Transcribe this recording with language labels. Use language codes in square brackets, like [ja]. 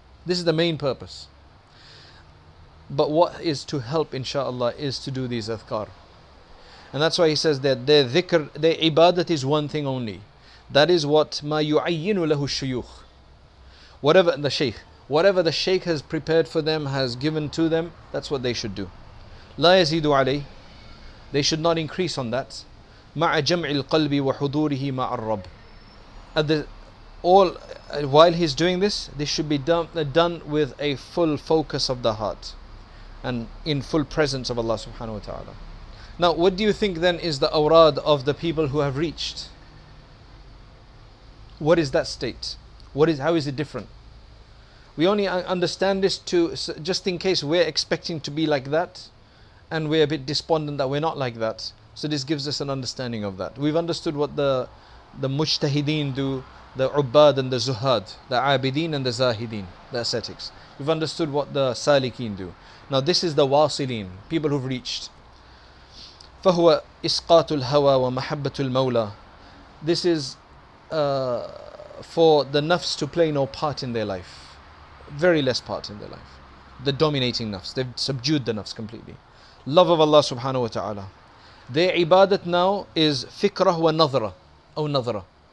[en] This is the main purpose. But what is to help, inshaAllah, is to do these adhkar. And that's why he says that their dhikr, their ibadat is one thing only. That is what [ar] ma yu'ayyinu lahu shuyukh. [en] Whatever the shaykh, whatever the shaykh has prepared for them, has given to them, that's what they should do. [ar] لا يزيد عليه. They should not increase on that. مع جمع القلب وحضوره مع الرب. [en] At the all while he's doing this, this should be done with a full focus of the heart, and in full presence of Allah Subhanahu Wa Taala. Now, what do you think then is the awrad of the people who have reached? What is that state? How is it different? We only understand this to just in case we're expecting to be like that, and we're a bit despondent that we're not like that. So this gives us an understanding of that. We've understood what the mujtahideen do, the ubbad and the zuhad, the abideen and the zahideen, the ascetics. We've understood what the salikeen do. Now this is the wasileen, people who've reached. [ar] فهو إسقاط الهوى ومحبة المولى. [en] This is for the nafs to play no part in their life. Very less part in their life. The dominating nafs, they've subdued the nafs completely. Love of Allah subhanahu wa ta'ala. Their ibadat now is [ar] fikrah wa nadhra, aw nadhra.